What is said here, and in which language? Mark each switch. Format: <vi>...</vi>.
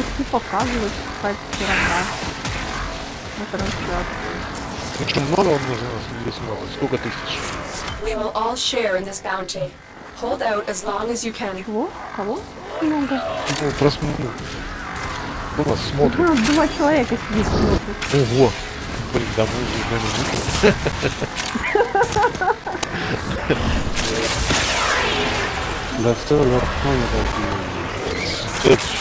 <ru>Показывает какая-то херота на трансляции. Ну что, много вам нужно здесь мало? Сколько тысяч?</ru> <en>We will all share in this bounty. Hold out as long as you can.</en> <ru>Чего? Кого? Много. Ну, просмотр. Ну, вас смотрят. Ну, два человека сидит смотрят. Ого! Блин, да мы уже не будем. Да все, нормально так.</ru>